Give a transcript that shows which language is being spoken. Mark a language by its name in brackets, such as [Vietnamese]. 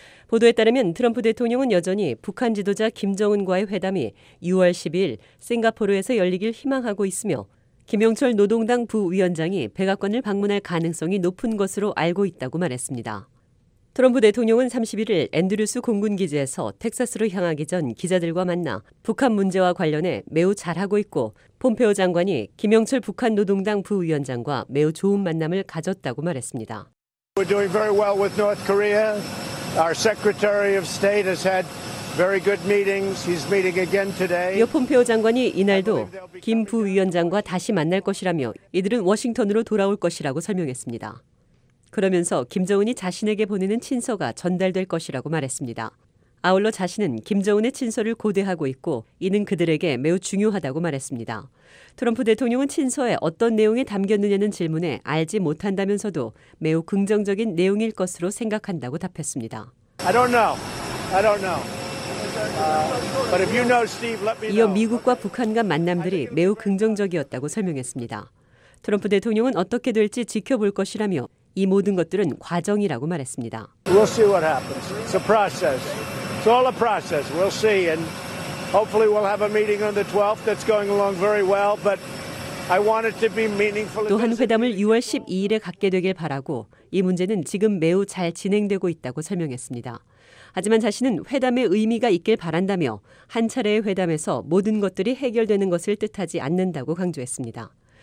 [Korean] 보도에 따르면 트럼프 대통령은 여전히 북한 지도자 김정은과의 회담이 6월 12일 싱가포르에서 열리길 희망하고 있으며 김영철 노동당 부위원장이 백악관을 방문할 가능성이 높은 것으로 알고 있다고 말했습니다. 트럼프 대통령은 31일 앤드류스 공군기지에서 텍사스로 향하기 전 기자들과 만나 북한 문제와 관련해 매우 잘하고 있고 폼페오 장관이 김영철 북한 노동당 부위원장과 매우 좋은 만남을 가졌다고 말했습니다. [English] We're doing very well with North Korea. Our Secretary of State has had very good meetings. He's meeting again today. [Korean] 이어 폼페오 장관이 이날도 김 부위원장과 다시 만날 것이라며 이들은 워싱턴으로 돌아올 것이라고 설명했습니다. 그러면서 김정은이 자신에게 보내는 친서가 전달될 것이라고 말했습니다. 아울러 자신은 김정은의 친서를 고대하고 있고 이는 그들에게 매우 중요하다고 말했습니다. 트럼프 대통령은 친서에 어떤 내용이 담겼느냐는 질문에 알지 못한다면서도 매우 긍정적인 내용일 것으로 생각한다고 답했습니다. [English] I don't know. I don't know. But if you know, Steve, let me know. [Korean] 이어 미국과 북한 간 만남들이 매우 긍정적이었다고 설명했습니다. 트럼프 대통령은 어떻게 될지 지켜볼 것이라며 이 모든 것들은 과정이라고 말했습니다. [English] We'll see what happens. It's a process. It's all a process. We'll see. And hopefully we'll have a meeting on the 12th that's going along very well. But I want it to be meaningful. [Korean] 또한 회담을 6월 12일에 갖게 되길 바라고 이 문제는 지금 매우 잘 진행되고 있다고 설명했습니다. 하지만 자신은 회담의 의미가 있길 바란다며 한 차례의 회담에서 모든 것들이 해결되는 것을 뜻하지 않는다고 강조했습니다.